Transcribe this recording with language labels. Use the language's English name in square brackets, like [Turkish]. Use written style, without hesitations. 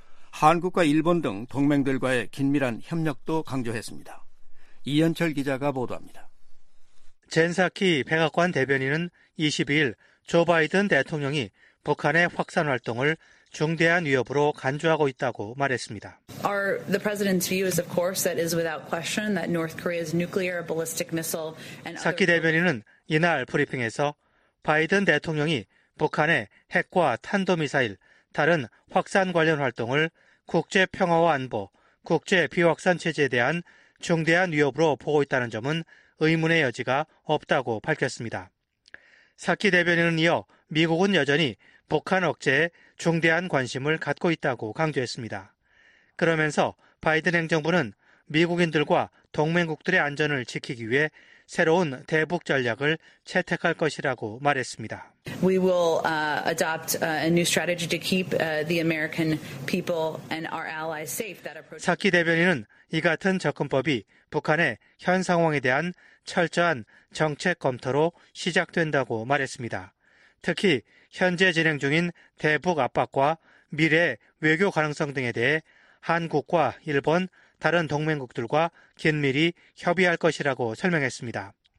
[Korean] 한국과 일본 등 동맹들과의 긴밀한 협력도 강조했습니다. 이현철 기자가 보도합니다. 젠사키 백악관 대변인은 22일 조 바이든 대통령이 북한의 확산 활동을 중대한 위협으로 간주하고 있다고 말했습니다. [English] The president's view is of course that is without question that North Korea's nuclear ballistic missile and [Korean] 사키 대변인은 이날 브리핑에서 바이든 대통령이 북한의 핵과 탄도미사일, 다른 확산 관련 활동을 국제 평화와 안보, 국제 비확산 체제에 대한 중대한 위협으로 보고 있다는 점은 의문의 여지가 없다고 밝혔습니다. 사키 대변인은 이어 미국은 여전히 북한 억제에 중대한 관심을 갖고 있다고 강조했습니다. 그러면서 바이든 행정부는 미국인들과 동맹국들의 안전을 지키기 위해 새로운 대북 전략을 채택할 것이라고 말했습니다. [English] We will adopt a new strategy to keep the American people and our allies safe. [Korean] 사키 대변인은 이 같은 접근법이 북한의 현 상황에 대한 철저한 정책 검토로 시작된다고 말했습니다. 특히 현재 진행 중인 대북 압박과 미래 외교 가능성 등에 대해 한국과 일본, 다른 동맹국들과 긴밀히 협의할 것이라고 설명했습니다.